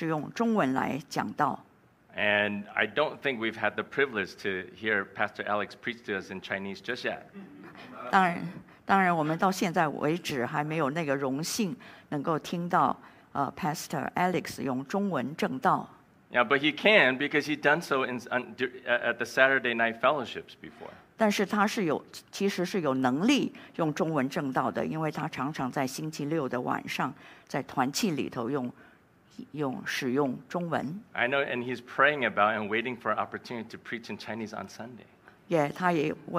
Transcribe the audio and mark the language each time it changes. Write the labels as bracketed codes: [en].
[zh] 但是恰巧的是我多半用英文，我多半是用中文来讲道。 [en] And I don't think we've had the privilege to hear Pastor Alex preach to us in Chinese just yet. [zh] 当然我们到现在为止还没有那个荣幸能够听到 Pastor Alex 用中文证道。 [en] Yeah, but he can because he's done so at the Saturday night fellowships before. [zh] 但是他是有其实是有能力用中文证道的，因为他常常在星期六的晚上在团契里头用使用中文。 [en] I know, and he's praying about and waiting for an opportunity to preach in Chinese on Sunday.